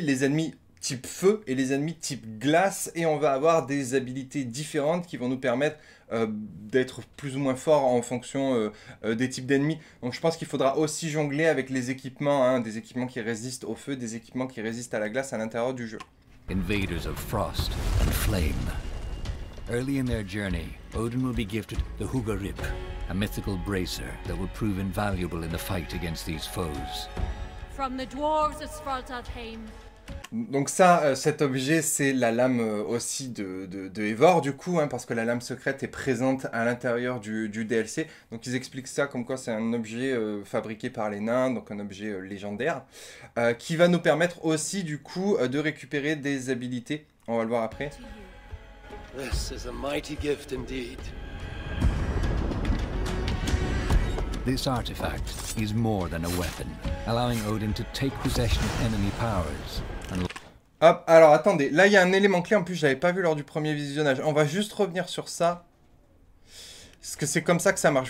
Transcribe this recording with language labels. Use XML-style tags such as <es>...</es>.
<fr>Les ennemis type feu et les ennemis type glace, et on va avoir des habilités différentes qui vont nous permettre d'être plus ou moins forts en fonction des types d'ennemis. Donc je pense qu'il faudra aussi jongler avec les équipements, hein, des équipements qui résistent au feu, des équipements qui résistent à la glace à l'intérieur du jeu.</fr> <en>invaders of frost and flame. Early in their journey, Odin will be gifted the Hugarip, a mythical bracer that will prove invaluable in the fight against these foes. From the dwarves of Svartalfheim.</en> <fr>Donc ça, cet objet, c'est la lame aussi de Eivor, du coup, hein, parce que la lame secrète est présente à l'intérieur du DLC. Donc ils expliquent ça comme quoi c'est un objet fabriqué par les nains, donc un objet légendaire, qui va nous permettre aussi, du coup, de récupérer des habilités. On va le voir après.</fr> <en>This is a mighty gift indeed. This artifact is more than a weapon, allowing Odin to take possession of enemy powers.</en> <fr>Hop, alors attendez, là il y a un élément clé, en plus j'avais pas vu lors du premier visionnage. On va juste revenir sur ça, parce que c'est comme ça que ça marche.</fr>